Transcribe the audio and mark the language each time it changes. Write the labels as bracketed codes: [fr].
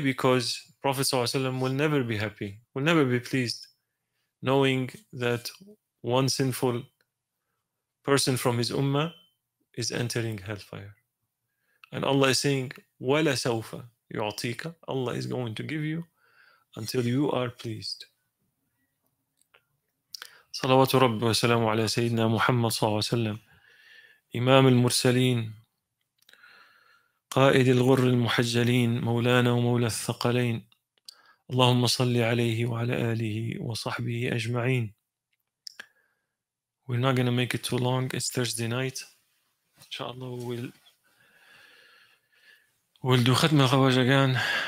[en] Because Prophet sallallahu alaihi wasallam will never be happy, will never be pleased, knowing that one sinful person from his ummah is entering hellfire. And Allah is saying, [ar] وَلَا سَوْفَ يُعْطِيكَ. [en] Allah is going to give you until you are pleased. [ar] صَلَوَاتُ رَبِّ وَسَلَامُ عَلَى سَيِّدْنَا مُحَمَّدٍ صَلَى اللَّهُ عَلَيْهِ وَسَلَّمَ إمام المرسلين قائد الغر المحجلين مولانا ومولى الثقلين اللهم صل عليه وعلى آله وصحبه أجمعين. [en] We're not going to make it too long. It's Thursday night. Inshallah, we'll do Khatm al-Khawaj again.